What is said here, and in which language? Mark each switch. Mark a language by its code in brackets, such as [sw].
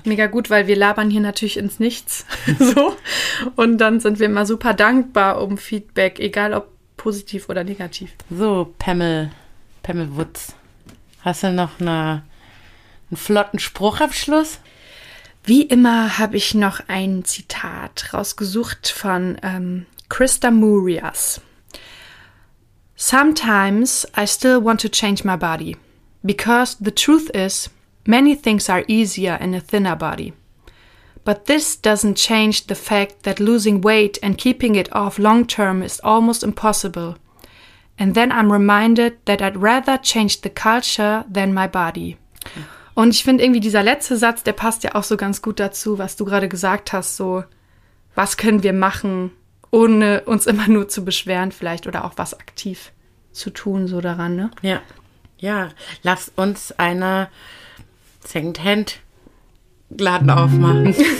[de] Mega gut, weil wir labern hier natürlich ins Nichts. So. Und dann sind wir immer super dankbar um Feedback, egal ob positiv oder negativ. So, Pemmel Wutz. Hast du noch einen flotten Spruchabschluss? Wie immer habe ich noch ein Zitat rausgesucht von Krista Murias. [en] Sometimes I still want to change my body. Because the truth is, many things are easier in a thinner body. But this doesn't change the fact that losing weight and keeping it off long term is almost impossible. And then I'm reminded that I'd rather change the culture than my body. [de] Und ich finde irgendwie dieser letzte Satz, der passt ja auch so ganz gut dazu, was du gerade gesagt hast, so, was können wir machen, ohne uns immer nur zu beschweren vielleicht oder auch was aktiv zu tun so daran, ne? Ja. Ja, lass uns einen Secondhand-Laden aufmachen.